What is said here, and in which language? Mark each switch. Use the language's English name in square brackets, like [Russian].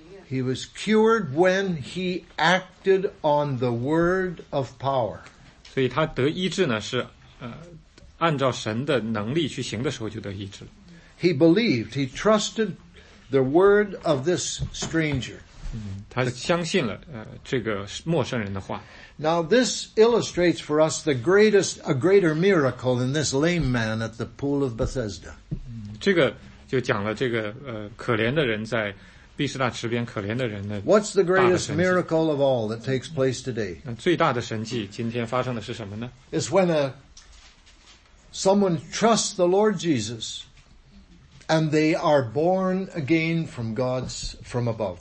[English] He was cured when he acted on the word of power. [Chinese] 所以他得医治呢是按照神的能力去行的时候就得医治了。 [English] He believed, he trusted the word of this stranger. [Chinese] 他相信了这个陌生人的话。 [English] Now this illustrates for us a greater miracle than this lame man at the pool of Bethesda. [Chinese] 这个就讲了这个可怜的人在毕士大池边可怜的人的。 [English] What's the greatest miracle of all that takes place today? [Chinese] 最大的神迹今天发生的是什么呢? [English] It's when someone trusts the Lord Jesus and they are born again from above.